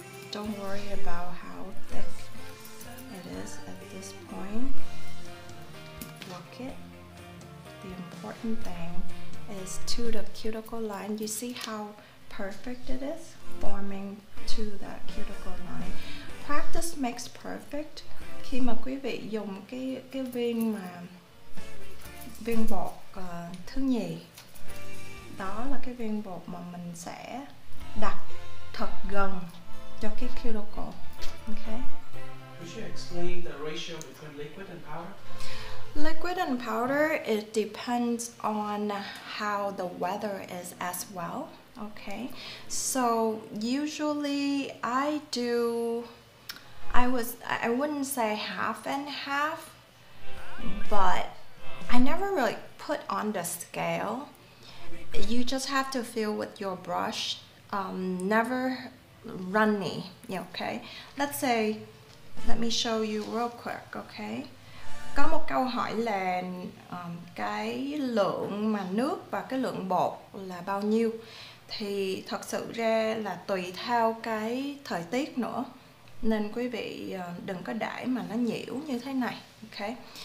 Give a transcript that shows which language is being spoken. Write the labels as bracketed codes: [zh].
[en] Don't worry about how thick it is at this point. Work it. The important thing is to the cuticle line. You see how perfect it is forming to that cuticle line. Practice makes perfect. [vi] Khi mà quý vị dùng cái viên mà viên bột thứ nhì, đó là cái viên bột mà mình sẽ đặt thật gần cho cái cuticle, okay? [en] Could you explain the ratio between liquid and powder? Liquid and powder, it depends on how the weather is as well, okay? So usually I wouldn't say half and half, but I never really put on the scale. You just have to feel with your brush, never runny, okay? Let's say Let me show you real quick, okay? [vi] Có một câu hỏi là cái lượng mà nước và cái lượng bột là bao nhiêu? Thì thật sự ra là tùy theo cái thời tiết nữa. Nên quý vị đừng có đãi mà nó nhiễu như thế này, okay?